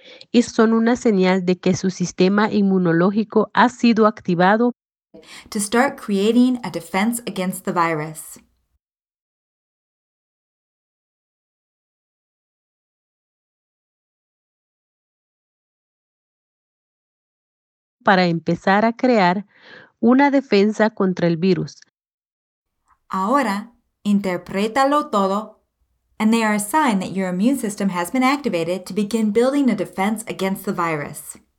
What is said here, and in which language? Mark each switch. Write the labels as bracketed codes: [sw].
[es] Y son una señal de que su sistema inmunológico ha sido activado. [en] To start creating a defense against the virus. [es] Para empezar a crear una defensa contra el virus. Ahora, interprétalo todo. [en] And they are a sign that your immune system has been activated to begin building a defense against the virus.